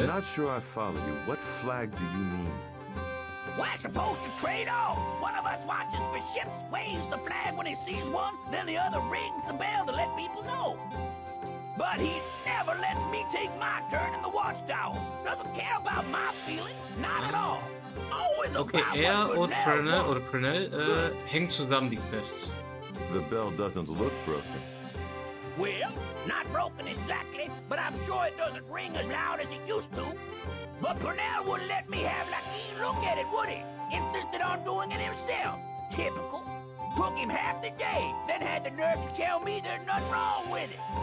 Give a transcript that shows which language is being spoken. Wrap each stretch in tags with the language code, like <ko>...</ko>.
<en>I'm not sure I follow you. What flag do you mean? We're supposed to trade off. One of us watches for ships, waves the flag when he sees one, then the other rings the bell to let people know. But he never lets me take my turn in the watchtower. Doesn't care about my feelings. Not at all. Always okay, about</en> <de>und Frenel, oder Prenel, hängen zusammen, die Quests.</de> <en>The bell doesn't look broken. Well, not broken exactly, but I'm sure it doesn't ring as loud as it used to. But Brunel wouldn't let me have Lakeen look at it, would he? Insisted on doing it himself. Typical. Took him half the day, then had the nerve to tell me there's nothing wrong with it.</en>